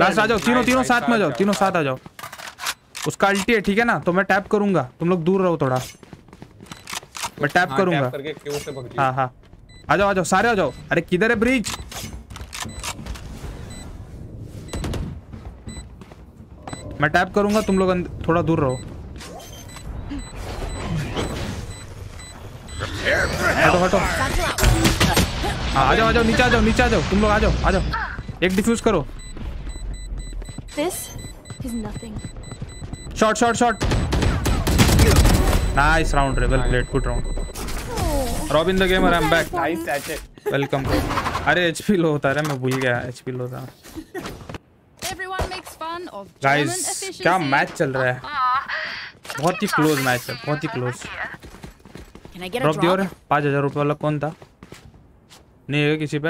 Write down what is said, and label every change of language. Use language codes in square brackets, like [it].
[hi] Last आ जाओ तीनों साथ में जाओ तीनों साथ आ जाओ उसका अल्टी है ठीक है ना तो मैं टैप करूंगा तुम लोग दूर रहो थोड़ा मैं टैप करूंगा हाँ आ जाओ सारे आ जाओ अरे किधर है ब्रिज मैं टैप करूंगा तुम लोग थोड़ा दूर रहो हटो हाँ आ जाओ नीचे आ जाओ तुम लोग आ जाओ एक डिफ्यूज करो [en] This is nothing Shot. Nice round, well played. Good round. Robin the gamer, I'm back. Nice, that's it. Welcome. [hi] अरे एचपी लो होता रहा, मैं भूल गया एचपी लो था। गाइस क्या मैच चल रहा है, बहुत ही क्लोज मैच है, बहुत ही क्लोज। ड्रॉप दियो रे, 5000 रुपए वाला कौन था? नहीं है किसी पे।